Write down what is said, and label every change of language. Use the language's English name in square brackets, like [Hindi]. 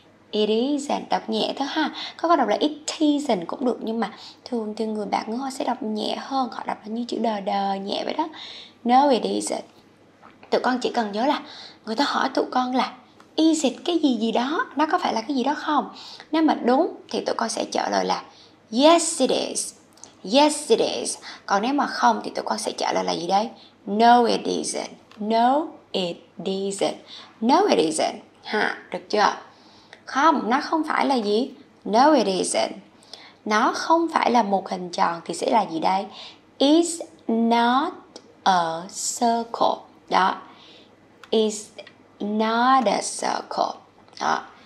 [English] It isn't, [Vietnamese] đọc nhẹ thôi ha. Các con đọc là [English] it isn't [Vietnamese] cũng được, nhưng mà thường thì người bạn ngữ họ sẽ đọc nhẹ hơn, họ đọc là như chữ D nhẹ vậy đó. [English] No, it isn't. [Vietnamese] Tụi con chỉ cần nhớ là người ta hỏi tụi con là is it cái gì gì đó, nó có phải là cái gì đó không? Nếu mà đúng thì tụi con sẽ trả lời là [English] yes it is, yes it is. [Vietnamese] Còn nếu mà không thì tụi con sẽ trả lời là gì đấy? [English] No it isn't, no it isn't, no it isn't. [Vietnamese] Ha, được chưa? Không, nó không phải là gì? [English] No it isn't. [Vietnamese] Nó không phải là một hình tròn thì sẽ là gì đây? [English] Is not a circle. Đó, is not a circle. Đó.